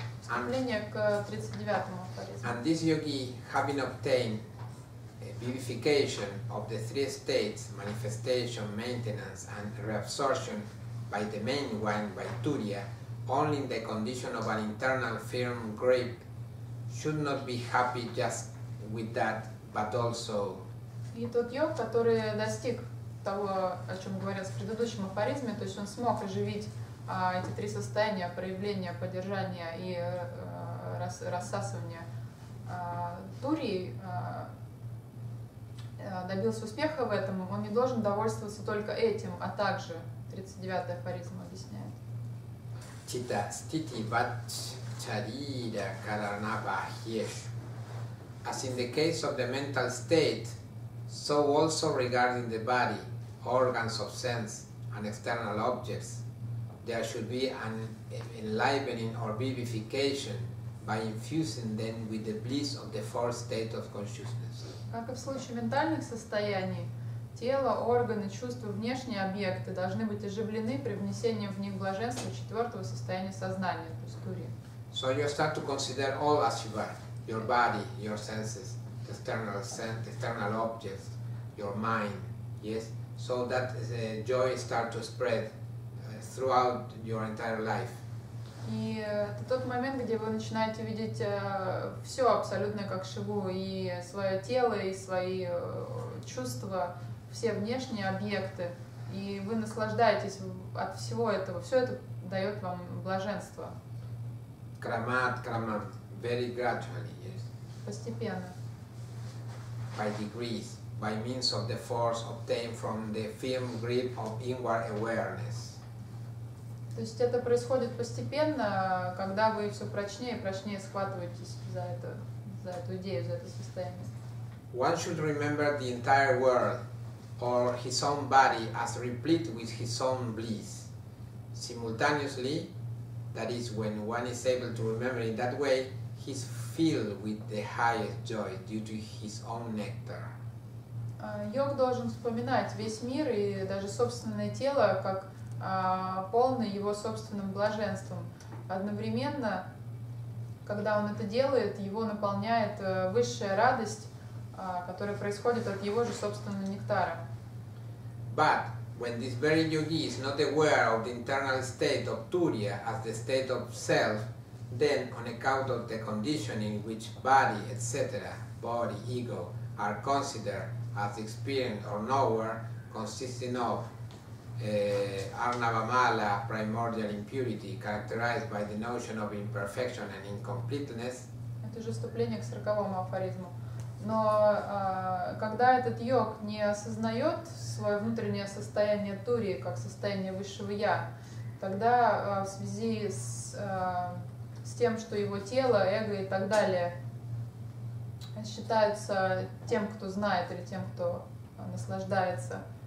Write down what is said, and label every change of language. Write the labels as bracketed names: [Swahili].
[English] And this yogi, having obtained a vivification of the three states, manifestation, maintenance, and reabsorption by the main one, by Turiya, only in the condition of an internal firm grip, should not be happy just with that, but also... [Russian] И тот йог, который достиг того, о чем говорилось в предыдущем афоризме, то есть он смог оживить эти три состояния проявления, поддержания и рассасывания Турии, добился успеха в этом, он не должен довольствоваться только этим, а также 39-й афоризм объясняет. [Sanskrit] Чита, стити, бач, чарира, карана, бахеш. [English] As in the case of the mental state, so also regarding the body, organs of sense and external objects, there should be an enlivening or vivification by infusing them with the bliss of the fourth state of consciousness. [Russian] Как и в случае ментальных состояний, тело, органы, чувства, внешние объекты должны быть оживлены при внесении в них блаженства четвертого состояния сознания, то есть Турии. [English] So you start to consider all as Shiva, your body, your senses, external sense, external objects, your mind, yes, so that the joy start to spread throughout your entire life. [Russian] И это тот момент, где вы начинаете видеть все абсолютно как Шиву, и свое тело, и свои чувства, все внешние объекты, и вы наслаждаетесь от всего этого, все это дает вам блаженство. [Sanskrit] Крамат, крамат, [English] very gradually, yes. [Russian] Постепенно. [English] By degrees, by means of the force obtained from the firm grip of inward awareness. [Russian] То есть это происходит постепенно, когда вы все прочнее и прочнее схватываетесь за это, за эту идею, за это состояние. [English] One should remember the entire world or his own body as replete with his own bliss. Simultaneously, that is, when one is able to remember in that way, he's filled with the highest joy due to his own nectar. [Russian] Йог должен вспоминать весь мир и даже собственное тело как полный его собственным блаженством. Одновременно, когда он это делает, его наполняет высшая радость, которая происходит от его же собственного нектара. [English] But when this very yogi is not aware of the internal state of Turiya as the state of self, then on account of the condition in which body, etc., body, ego, are considered as experienced or knower, consisting of Arnavamala, primordial impurity, characterized by the notion of imperfection and incompleteness. [Russian] Это же вступление к 40-му афоризму. Но когда этот йог не осознает свое внутреннее состояние Турии как состояние высшего Я, тогда в связи с тем, что его тело, эго и так далее считаются тем, кто знает, или тем, кто наслаждается.